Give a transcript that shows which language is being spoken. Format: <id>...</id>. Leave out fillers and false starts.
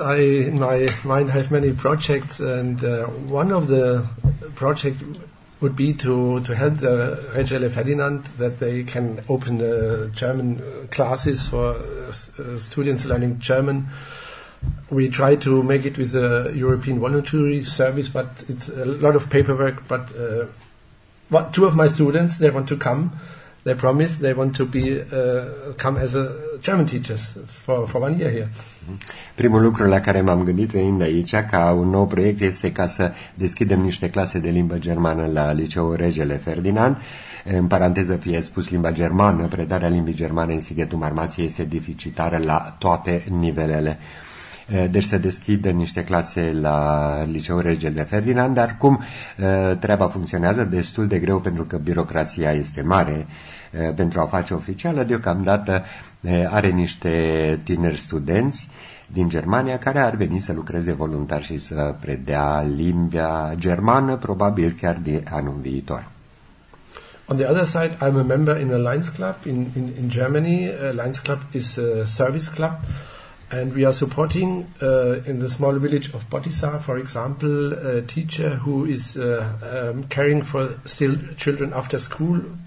<en>I have many projects, and one of the projects would be to help the Regele Ferdinand that they can open the German classes for students learning German. We try to make it with a European voluntary service, but it's a lot of paperwork. But two of my students, they want to come. They promise they want to be come as a German teachers for 1 year here.</en> <ro>Primul lucru la care m-am gândit venind aici ca un nou proiect este ca să deschidem niște clase de limbă germană la liceul Regele Ferdinand. În paranteză fie spus, limba germană, predarea limbii germane în Sighetul Marmației este deficitară la toate nivelele. Deci să deschidă niște clase la liceul Regele Ferdinand, dar cum treaba funcționează, destul de greu pentru că birocrația este mare pentru a face oficială. Deocamdată are niște tineri studenți din Germania care ar veni să lucreze voluntar și să predea limba germană, probabil chiar de anul viitor.</ro> <en>On the other side, I'm a member in a Lions Club in Germany. Lions Club is a service club. And we are supporting in the small village of Botisa, for example, a teacher who is caring for still children after school.</en>